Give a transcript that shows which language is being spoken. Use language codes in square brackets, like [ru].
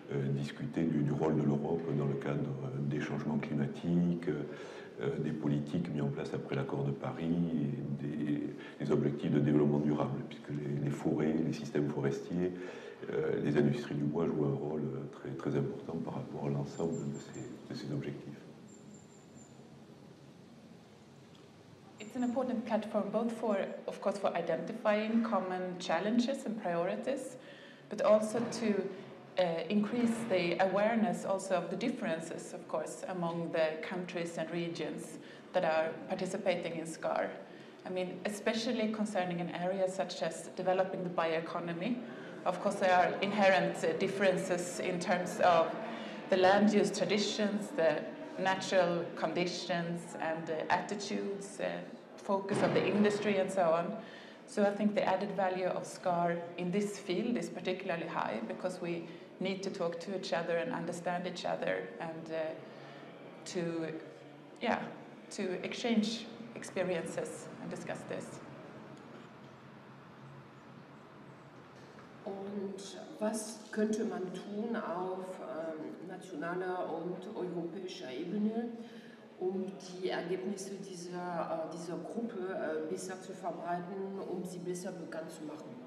[fr] discuter du rôle de l'Europe dans le cadre des changements climatiques, des politiques mises en place après l'accord de Paris, et des objectifs de développement durable, puisque les forêts, les systèmes forestiers, les industries du bois jouent un rôle très, très important par rapport à l'ensemble de ces objectifs. [en] It's an important platform both for, of course, for identifying common challenges and priorities, but also to increase the awareness also of the differences, of course, among the countries and regions that are participating in SCAR. I mean, especially concerning an area such as developing the bioeconomy, of course, there are inherent differences in terms of the land use traditions, the natural conditions and attitudes, focus of the industry and so on. So I think the added value of SCAR in this field is particularly high because we need to talk to each other and understand each other and to exchange experiences and discuss this. [de] Und was könnte man tun auf nationaler und europäischer Ebene, um die Ergebnisse dieser, dieser Gruppe besser zu verbreiten, um sie besser bekannt zu machen?